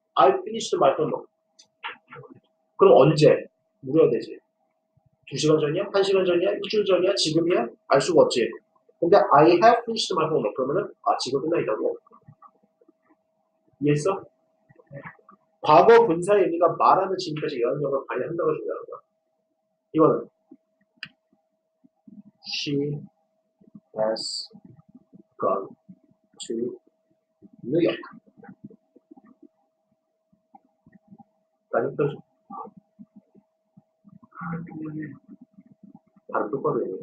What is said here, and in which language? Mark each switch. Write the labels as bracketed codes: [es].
[en] I finished my homework. [ko] 그럼 언제? 물어야 되지. 2시간 전이야? 1시간 전이야? 일주일 전이야? 지금이야? 알 수가 없지. 근데 [en] I have finished my homework. [ko] 그러면은, 아, 지금 끝나 있다고. 이해했어? 과거 분사의 의미가 말하는 지금까지 영향력을 발휘한다고 준다는 거야. 이거는 [en] She has gone to New York. [ko] 아니, 또, 바로 똑바로 얘기해.